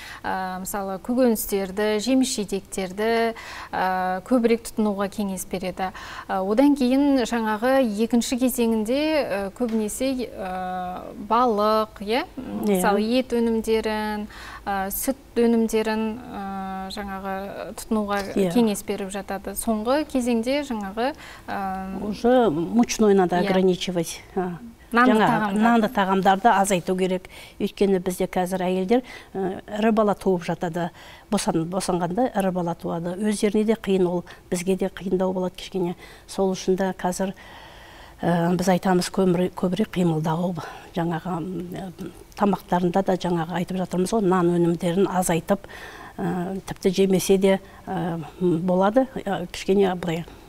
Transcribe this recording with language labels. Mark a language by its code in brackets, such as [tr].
[kk] Мысалы, көкөністерді, жеміс-жидектерді көбірек тұтынуға кеңес береді. Одан кейін жаңағы екінші кезеңінде көбінесе балық, мысалы, ет өнімдерін, сүт өнімдерін жаңағы тұтынуға кеңес беріп жатады. Соңғы кезеңде жаңағы [ru] уже мучной надо ограничивать. [kk] Нанды тағамдарды азайту керек. Өйткені бізде қазір әйелдер ірі бала туып жатады. Босанғанда ірі бала туады. Өздеріне де қиын ол, бізге де қиындау болады кішкене. Сол үшін де қазір біз айтамыз көбірек қимылдау, жаңағы тамақтарында да жаңағы айтып жатырмыз, ол нан өнімдерін азайтып, тіпті жемесе де болады кішкене былай.